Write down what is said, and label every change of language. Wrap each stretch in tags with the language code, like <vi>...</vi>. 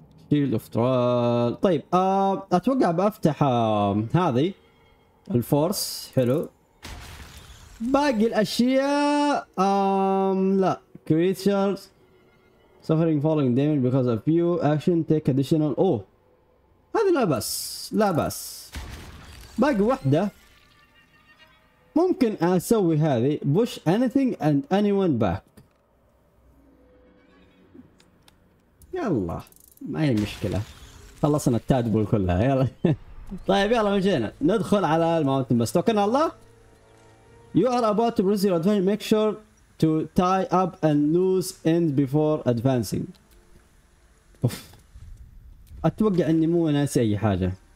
<ar>شيلد اوف ترال. طيب اتوقع بفتح هذه الفورس، حلو. باقي الاشياء لا.</ar> <en>creatures suffering falling damage because of you action take additional.</en> <ar>هذه لا بس باقي واحده ممكن اسوي. هذه</ar> <en>push anything and anyone back،</en> <ar>يلا ما هي مشكله، خلصنا التادبول كلها يلا. طيب يلا مشينا ندخل على الماونتن بس. توكلنا على الله.</ar> <en>You are about to proceed advancing. Make sure to tie up and loose ends before advancing.</en> <ar>اوف، اتوقع اني مو ناسي اي حاجه.</ar>